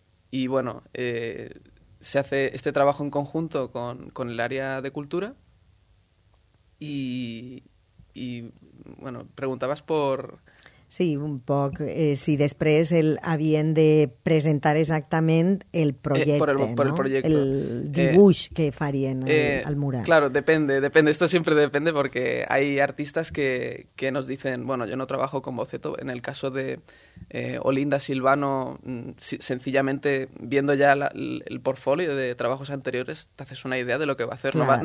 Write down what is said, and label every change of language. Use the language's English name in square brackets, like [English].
[Spanish] Y bueno, se hace este trabajo en conjunto con el área de cultura y bueno, preguntabas por... [Catalan] Sí, un poc. Si després el havien de presentar exactament el projecte, Per el projecte. El dibuix que farien al mural. [Spanish] Claro, depende. Esto siempre depende porque hay artistas que nos dicen, bueno, yo no trabajo con boceto. En el caso de Olinda Silvano, sencillamente viendo ya el portfolio de trabajos anteriores, te haces una idea de lo que va a hacer. Claro.